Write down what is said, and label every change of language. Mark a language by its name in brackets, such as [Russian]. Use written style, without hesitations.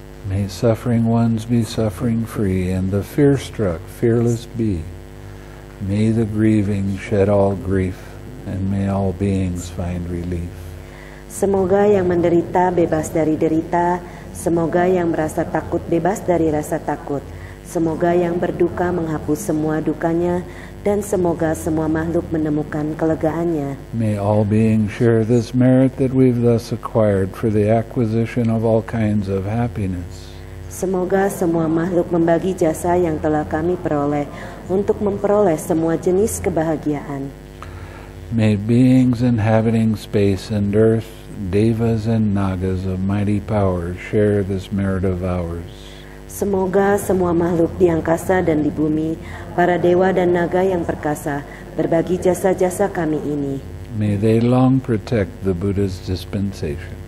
[English] May suffering ones be suffering free, and the fear-struck fearless be. May the grieving shed all grief, and may all beings find relief. [Indonesian] Semoga yang menderita bebas dari derita, semoga yang merasa takut bebas dari rasa takut. Semoga yang berduka menghapus semua dukanya, dan semoga semua makhluk menemukan kelegaannya. [English] May all beings share this merit that we've thus acquired for the acquisition of all kinds of happiness. [Indonesian] Semoga semua makhluk membagi jasa yang telah kami peroleh untuk memperoleh semua jenis kebahagiaan. [English] May beings inhabiting space and earth, devas and nagas of mighty power share this merit of ours. [Indonesian] Semoga semua makhluk di angkasa dan di bumi, para dewa dan naga yang perkasa, berbagi jasa-jasa kami ini. [English] May they long protect the Buddha's dispensation.